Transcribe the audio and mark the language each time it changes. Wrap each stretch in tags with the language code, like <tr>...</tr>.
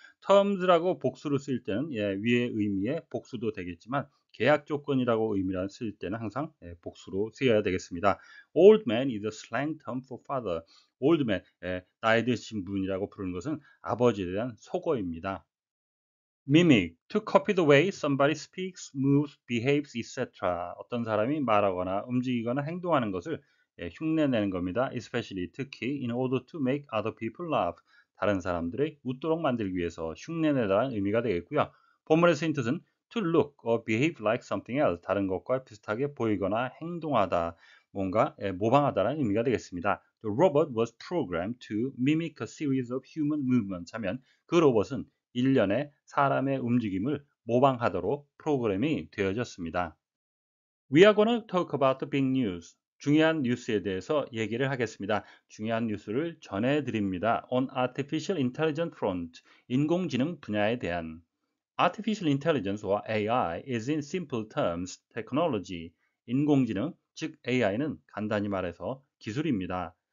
<ko>terms라고 복수로 쓸 때는 예, 위의 의미의 복수도 되겠지만 계약 조건이라고 의미를 쓸 때는 항상 예, 복수로 쓰여야 되겠습니다.</ko> <en>Old man is a slang term for father.</en> <ko>Old man, 예, 나이 드신 분이라고 부르는 것은 아버지에 대한 속어입니다.</ko> <en>Mimic, to copy the way somebody speaks, moves, behaves, etc.</en> <ko>어떤 사람이 말하거나 움직이거나 행동하는 것을 예, 흉내내는 겁니다.</ko> <en>Especially,</en> <ko>특히</ko> <en>in order to make other people laugh.</en> <ko>다른 사람들의 웃도록 만들기 위해서 흉내내다는 의미가 되겠고요. 본문에서의 뜻은</ko> <en>to look or behave like something else.</en> <ko>다른 것과 비슷하게 보이거나 행동하다, 뭔가 모방하다는 의미가 되겠습니다.</ko> <en>The robot was programmed to mimic a series of human movements.</en> <ko>하면 그 로봇은 일련의 사람의 움직임을 모방하도록 프로그램이 되어졌습니다.</ko> <en>We are going to talk about the big news.</en> <ko>중요한 뉴스에 대해서 얘기를 하겠습니다. 중요한 뉴스를 전해드립니다.</ko> <en>On Artificial Intelligence Front,</en> <ko>인공지능 분야에 대한</ko> <en>Artificial Intelligence or AI is in simple terms technology.</en> <ko>인공지능, 즉 AI는 간단히 말해서 기술입니다.</ko>